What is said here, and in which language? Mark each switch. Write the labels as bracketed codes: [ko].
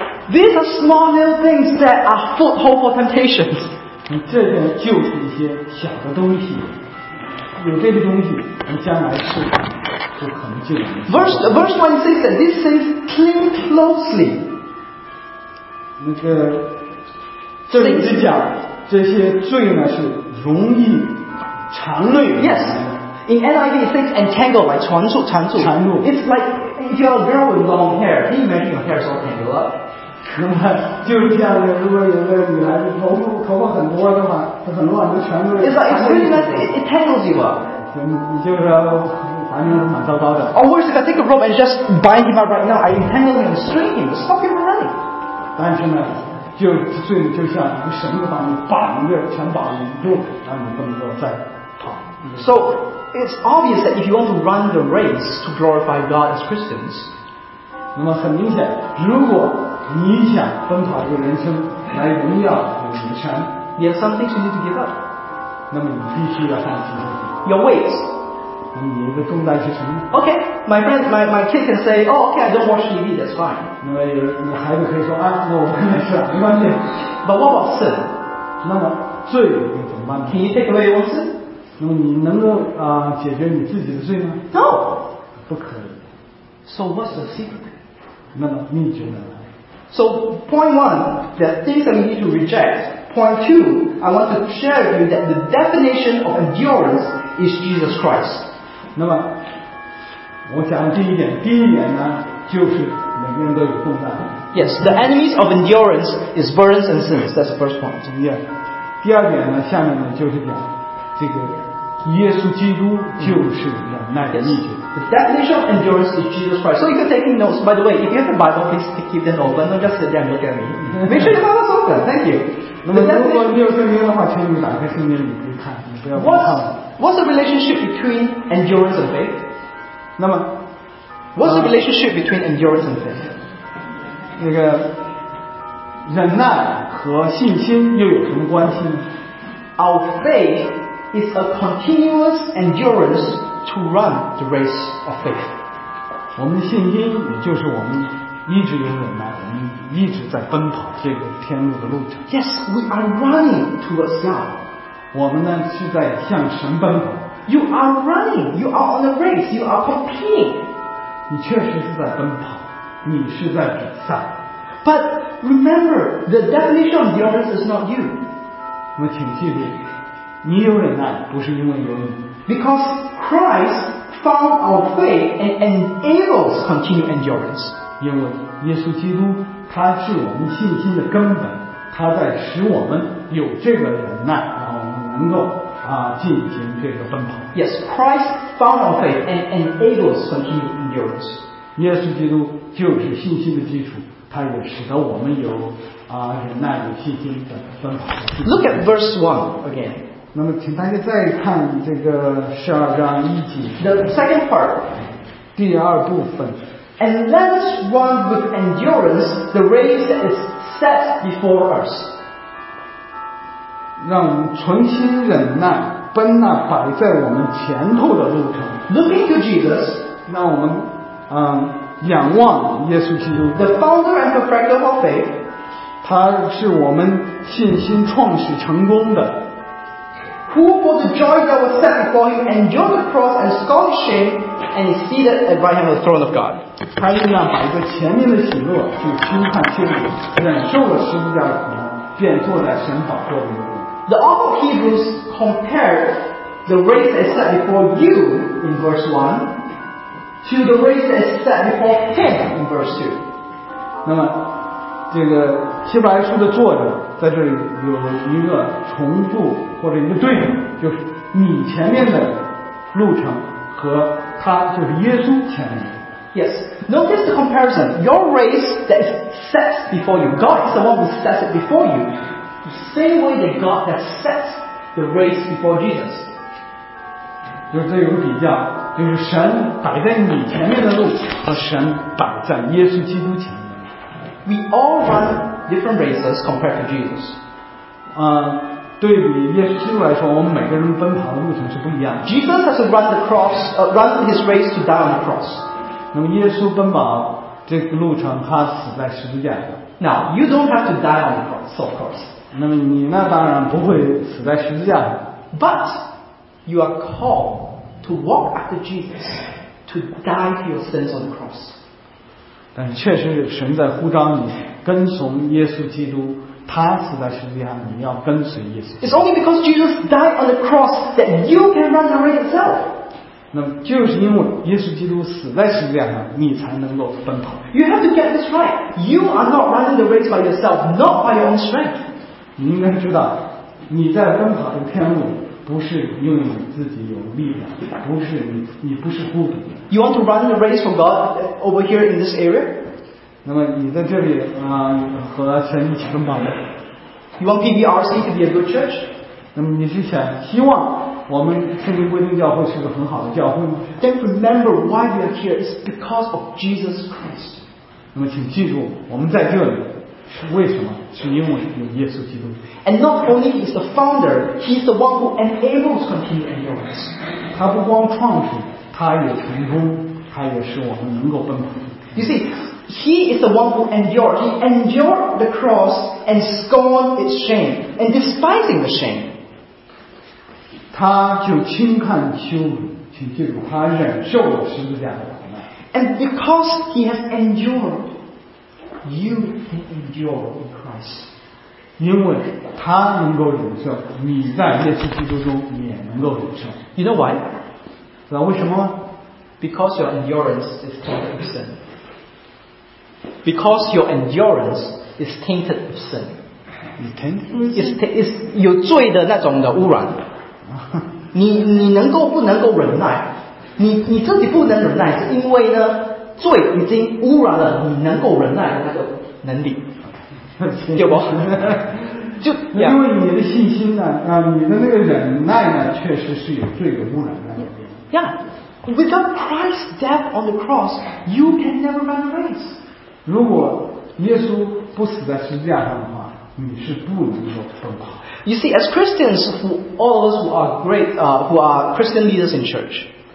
[en] These are small little things that are foothold for temptations. [zh] 你这个就是一些小的东西。有这些东西，你将来是就可能就难。 [en] Verse 26 says, "This says, cling closely." [zh] 那个这里是讲这些罪呢是容易缠累。 [en] Yes, in NIV it says entangle, like 缠住。 It's like if you have a girl with long hair, can you imagine your hair is all tangled up? [zh] 那么就是这样的，如果有个女孩子头发很多的话，她很乱，就全都是。 [en] It's like it's really messy. It tangles you up. [zh] 你就是说，反正蛮糟糕的。 [en] Or worse, if I take a rope and just bind him up right now, I entangle him, string him, stop him running. [zh] 但是呢，就最就像一个绳子把你绑着，全绑住，让你不能够再跑。 [en] So it's obvious that if you want to run the race to glorify God as Christians, [zh] 那么很明显，如果你想奔跑这个人生来荣耀有名声 [en] There are some things you need to give up [zh] 那么你必须要放弃 [en] Your weight [zh] 那么你的重担是什么 [en] OK My kid can say Oh OK I don't watch TV That's fine [zh] 那么你孩子可以说啊，我不看电视没关系 [en] But what about sin [zh] 那么罪又怎么办 [en] Can you take away your sin [zh] 那么你能够解决你自己的罪吗 [en] No [zh] 不可以 [en] So what's the secret [zh] 那么秘诀呢 [en] So point one, the things that we need to reject. Point two, I want to share with you that the definition of endurance is Jesus Christ. [zh] 那么，我讲第一点呢，就是每个人都有重担。 [en] Yes, the enemies of endurance is burdens and sins. That's the first point. Yeah. [zh] 第二点呢，下面呢就是讲这个耶稣基督就是忍耐的秘诀。 [en] The definition of endurance is Jesus Christ. So if you're taking notes, by the way, if you have a Bible, please keep them open. Don't just sit there and look at me. Make sure your Bible's open. Thank you. [zh] 那么如果你有圣经的话，请你打开圣经里去看，你不要不看。 [en] What's the relationship between endurance and faith? [zh] 那么 [en] What's the relationship between endurance and faith? [zh] 那个忍耐和信心又有什么关系呢？ [en] Our faith is a continuous endurance. To run the race of faith. [zh] 我们的信心也就是我们一直有忍耐，我们一直在奔跑这个天路的路程。 [en] Yes, we are running towards God. [zh] 我们呢是在向神奔跑。 [en] You are running. You are on a race. You are competing. [zh] 你确实是在奔跑，你是在比赛。 [en] But remember, the definition of endurance is not you. [zh] 那么请记住，你有忍耐不是因为有你。 [en] Because Christ found our faith and enables continued endurance. [zh] 因为耶稣基督他是我们信心的根本，他在使我们有这个忍耐，然后我们能够进行这个奔跑。 [en] Yes, Christ found our faith and enables continued endurance. [zh] 耶稣基督就是信心的基础，他也使得我们有忍耐有信心的奔跑。 [en] Look at verse 1 again. [zh] 那么请大家再看这个十二章一节 [en] The second part [zh] 第二部分 [en] And let us run with endurance the race that is set before us [zh] 让我们存心忍耐奔那摆在我们前头的路程 [en] Looking to Jesus [zh] 让我们仰望耶稣基督 [en] The founder and perfecter of our faith [zh] 他是我们信心创始成功的 [en] Who for the joy that was set before him endured the cross and scorned shame and is seated at right hand of the throne of God. [zh] 他应当把一个前面的喜乐去轻看轻忽，忍受了十字架的苦难，便坐在神宝座的右边。 [en] The author of Hebrews compared the race that is set before you in verse 1 to the race that is set before him in verse 2. [zh] 那么，这个希伯来书的作者在这里有一个重复。或者一个对比，就是你前面的路程和他就是耶稣前面的。 [en] Yes, notice the comparison. Your race that is set before you, God is the one who sets it before you. The same way that God has set the race before Jesus. [zh] 就是这有比较，就是神摆在你前面的路和神摆在耶稣基督前面。 [en] We all run different races compared to Jesus. [zh] 对于耶稣基督来说，我们每个人奔跑的路程是不一样的。 [en] Jesus has to run the cross, run his race to die on the cross. [zh] 那么耶稣奔跑这个路程，他死在十字架上。 [en] Now you don't have to die on the cross, of course. [zh] 那么你那当然不会死在十字架上。 [en] But you are called to walk after Jesus, to die for your sins on the cross. [zh] 但是确实神在呼召你跟从耶稣基督，他死在十字架上，你要跟随耶稣。 [en] It's only because Jesus died on the cross that you can run the race itself. [zh] 那么就是因为耶稣基督死在十字架上，你才能够奔跑。 [en] You have to get this right. You are not running the race by yourself, not by your own strength. [zh] 你应该知道，你在奔跑这天路，不是因为你自己有力量，不是你不是孤独的。 [en] You want to run the race for God over here in this area? [zh] 那么你在这里啊、和神一起奔跑吗 [en] ？You want PBRC to be a good church? [zh] 那么你是想希望我们圣经归正教会是个很好的教会吗 [en] ？Then remember why we are here is because of Jesus Christ. [zh] 那么请记住，我们在这里。是为什么？是因为有耶稣基督。 [en] And not only is the founder, he's the one who enables continue endurance. [zh] 他不光创始，他也成功，他也是我们能够奔跑。 [en] You see, he is the one who endured. He endured the cross and scorned its shame and despising the shame. [zh] 他就轻看羞辱，请记住，他忍受了十字架的苦难。 [en] And because he has endured. You can endure in Christ. [zh] 因为他能够忍受，你在耶稣基督中也能够忍受。 [en] You know why? [zh] 知道为什么吗 [en] ？Because your endurance is tainted with sin. Because your endurance is tainted with sin. It's [zh] 有罪的那种的污染。你能够不能够忍耐？你自己不能忍耐，是因为呢？罪已经污染了你能够忍耐的那个能力，对不？就因为你的信心呢，你的那个忍耐呢，确实是有罪的污染在里面。 [en] Yeah, without Christ's death on the cross, you can never run the race. [zh] 如果耶稣不死在十字架上的话，你是不能够奔跑。 [en] You see, as Christians, who all of us who are great, who are Christian leaders in church,